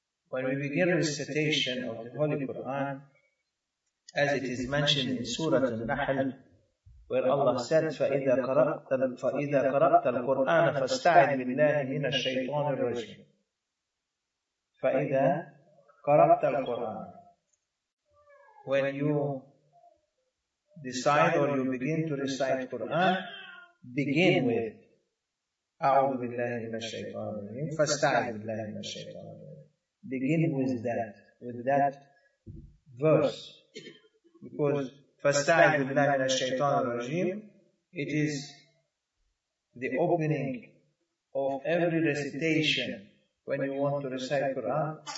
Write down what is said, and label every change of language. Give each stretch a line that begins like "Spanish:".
English: When we begin recitation of the Holy Quran, as it is mentioned in Surah Al-Nahl, where Allah said,
Arabic: فَإِذَا قَرَأْتَ الْقُرْآنَ فَاسْتَعِذْ بِاللَّهِ مِنَ الشَّيْطَانِ الرَّجِيمِ. فَإِذَا قَرَأْتَ الْقُرْآنَ,
English: when you decide or you begin to recite Quran, begin with
Arabic: أَعُوذُ بِاللَّهِ مِنَ الشَّيْطَانِ الرَّجِيمِ فَاسْتَعِذْ بِاللَّهِ مِنَ الشَّيْطَانِ الرَّجِيمِ.
English: Begin with that verse, because
Arabic: فَاسْتَعِذْ بِاللَّهِ مِنَ الشَّيْطَانِ الرَّجِيمِ,
English: it is the opening of every recitation when you want to recite Quran.